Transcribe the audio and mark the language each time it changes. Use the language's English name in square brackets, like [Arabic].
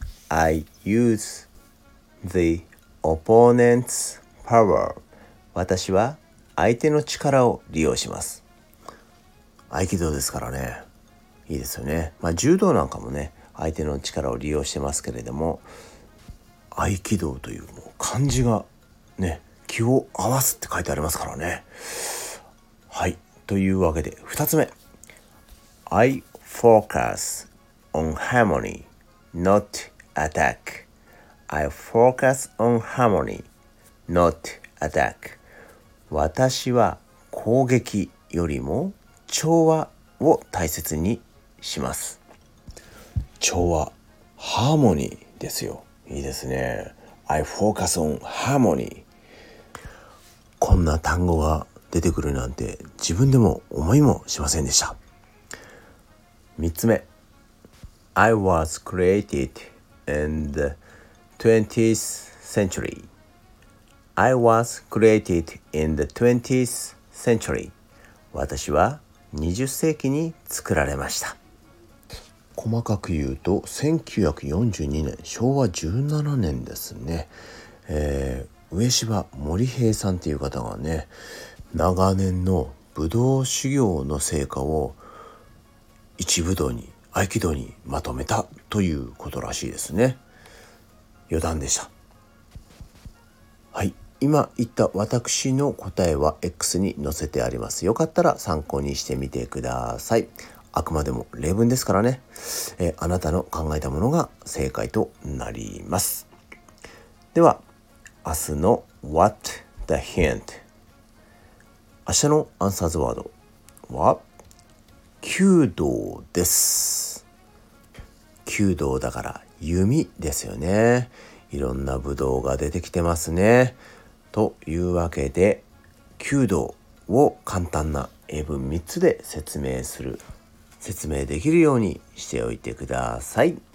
[English] I use the opponent's power. [Japanese] 私は相手の力を利用します。合気道ですからね、いいですよね。まあ柔道なんかもね、相手の力を利用してますけれども、合気道という漢字がね、気を合わすって書いてありますからね。はい、というわけで2つ目、 [English] I focus on harmony not attack. I focus on harmony not attack. [Japanese] 私は攻撃よりも調和を大切にします。調和、ハーモニーですよ。いいですね。I focus on harmony。こんな単語が出てくるなんて自分でも思いもしませんでした。 3つ目、 [English] I was created in the 20th century. I was created in the 20th century. [Japanese] 私は20世紀に作られました。細かく言うと1942年、昭和17年ですね。上芝森平さんという方がね、長年の武道修行の成果を一武道に、合気道にまとめたということらしいですね。余談でした。はい、今言った私の答えは X に載せてあります。よかったら参考にしてみてください。あくまでも例文ですからね。あなたの考えたものが正解となります。では、明日の What the hint? 明日のアンサーズワードは弓道です。弓道だから弓ですよね。いろんな武道が出てきてますね。というわけで弓道を簡単な英文3つで説明できるようにしておいてください。